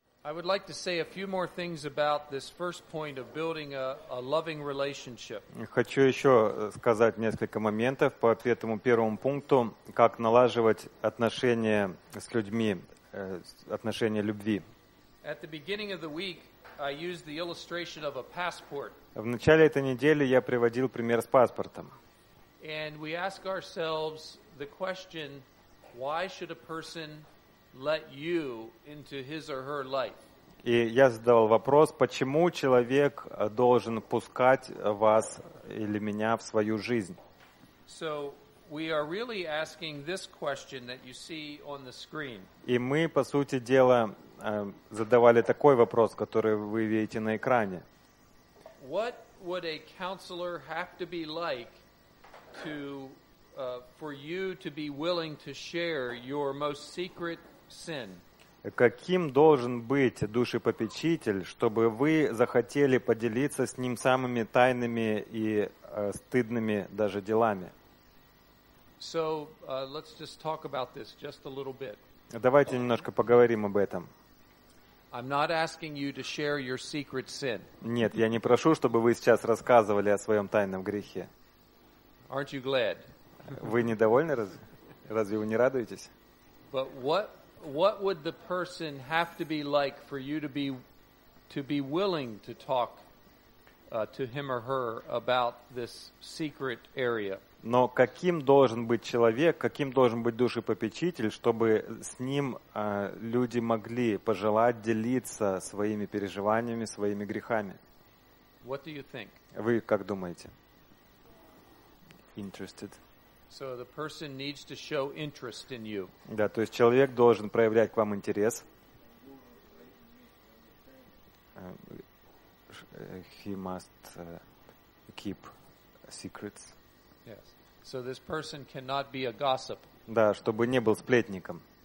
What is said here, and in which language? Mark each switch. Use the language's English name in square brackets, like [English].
[English] I would like to say a few more things about this first point of building a loving relationship. [Russian] Хочу ещё сказать несколько моментов по этому первому пункту, как налаживать отношения с людьми, отношения любви. [English] At the beginning of the week, I used the illustration of a passport. [Russian] В начале этой недели я приводил пример с паспортом. [English] And we ask ourselves the question, why should a person let you into his or her life? [Russian] И я задавал вопрос, почему человек должен пускать вас или меня в свою жизнь? [English] So we are really asking this question that you see on the screen. [Russian] И мы, по сути дела, задавали такой вопрос, который вы видите на экране. [English] What would a counselor have to be like to for you to be willing to share your most secret sin? [Russian] Каким должен быть душепопечитель, чтобы вы захотели поделиться с ним самыми тайными и стыдными даже делами? [English] So, let's just talk about this just a little bit. [Russian] Давайте немножко поговорим об этом. [English] I'm not asking you to share your secret sin. [Russian] Нет, я не прошу, чтобы вы сейчас рассказывали о своём тайном грехе. [English] Aren't you glad? [Russian] Вы недовольны разве? Разве вы не радуетесь? [English] But what would the person have to be like for you to be willing to talk to him or her about this secret area? [Russian] Но каким должен быть человек, каким должен быть душепопечитель, чтобы с ним люди могли пожелать делиться своими переживаниями, своими грехами? [English] What do you think? [Russian] Вы как думаете? [English] Interested. So the person needs to show interest in you. [Russian] Да, то есть человек должен проявлять к вам интерес. [English] He must keep secrets. Yes. So this person cannot be a gossip. [Russian] Да, чтобы не был сплетником.